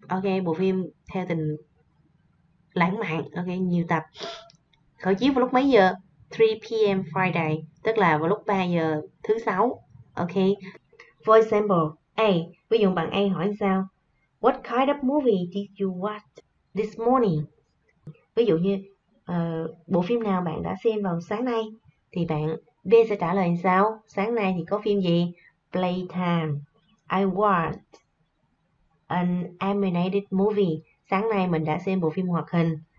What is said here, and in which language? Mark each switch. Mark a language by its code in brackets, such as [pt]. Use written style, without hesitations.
[vi] Ok, bộ phim theo tình lãng mạn. Ok, nhiều tập. Khởi chiếu vào lúc mấy giờ? 3 p.m. Friday, tức là vào lúc 3 giờ thứ sáu. Ok. [en] For example, A. [vi] Ví dụ bạn A hỏi sao? [en] What kind of movie did you watch this morning? [vi] Ví dụ như bộ phim nào bạn đã xem vào sáng nay? Thì bạn B sẽ trả lời sao? Sáng nay thì có phim gì? Playtime. [en] I watched an animated movie. [vi] Sáng nay mình đã xem bộ phim hoạt hình.